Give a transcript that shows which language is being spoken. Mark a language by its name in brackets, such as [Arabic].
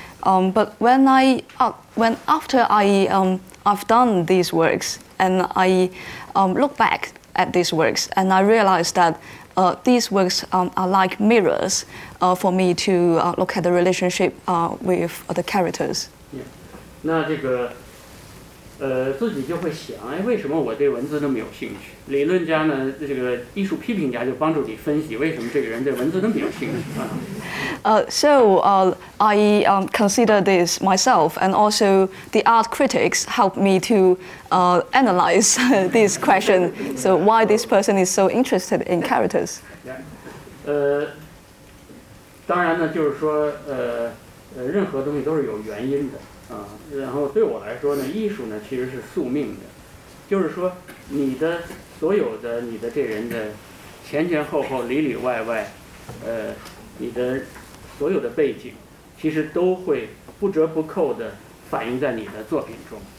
[English] But I've done these works and I look back at these works and I realize that these works are like mirrors for me to look at the relationship with the characters. [Chinese] Yeah. 那这个自己就会想，哎，为什么我对文字那么有兴趣？理论家呢，这个艺术批评家就帮助你分析为什么这个人对文字那么有兴趣啊。 [English] I consider this myself, and also the art critics help me to analyze this question. So why this person is so interested in characters? Yeah. [Chinese] 当然呢，就是说任何东西都是有原因的。然后对我来说呢，艺术呢其实是宿命的，就是说你的所有的你的这人的前前后后里里外外，你的所有的背景，其实都会不折不扣地反映在你的作品中。